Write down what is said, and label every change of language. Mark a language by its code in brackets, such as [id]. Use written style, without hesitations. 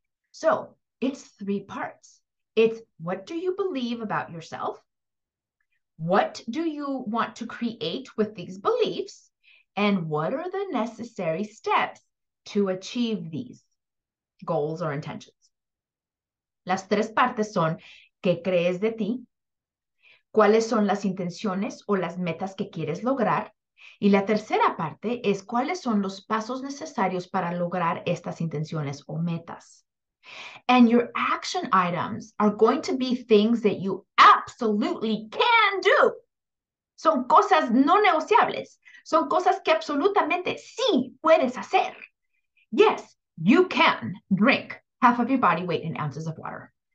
[en] So, it's 3 parts. It's what do you believe about yourself? What do you want to create with these beliefs? And what are the necessary steps to achieve these goals or intentions? [es] Las 3 partes son ¿qué crees de ti? ¿Cuáles son las intenciones o las metas que quieres lograr? Y la tercera parte es ¿cuáles son los pasos necesarios para lograr estas intenciones o metas? [en] And your action items are going to be things that you absolutely can do. [es] Son cosas no negociables. Son cosas que absolutamente sí puedes hacer. [en] Yes, you can drink half of your body weight in ounces of water.